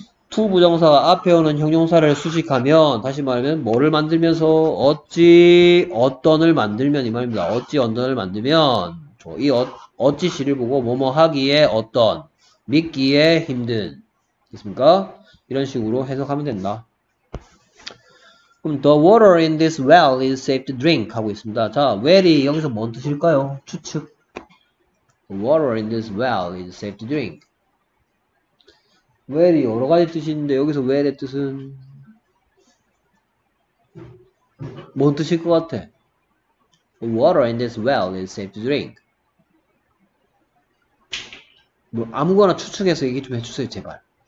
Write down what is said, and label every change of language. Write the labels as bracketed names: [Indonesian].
[Korean] to 부정사가 앞에 오는 형용사를 수식하면, 다시 말하면, 뭐를 만들면서, 어찌, 어떤을 만들면, 이 말입니다. 어찌, 어떤을 만들면, 이 어찌 시를 보고, 뭐뭐 하기에 어떤, 믿기에 힘든. 있습니까? 이런 식으로 해석하면 된다. [English] 그럼, the water in this well is safe to drink. [Korean] 하고 있습니다. 자, well이 여기서 뭔 뜻일까요? 추측. [English] The water in this well is safe to drink. [Korean] 웰이 여러 가지 뜻이 있는데, 여기서 웰의 뜻은, 뭔 뜻일 것 같아? [English] The water in this well is safe to drink. [Korean] 뭐, 아무거나 추측해서 얘기 좀 해주세요, 제발.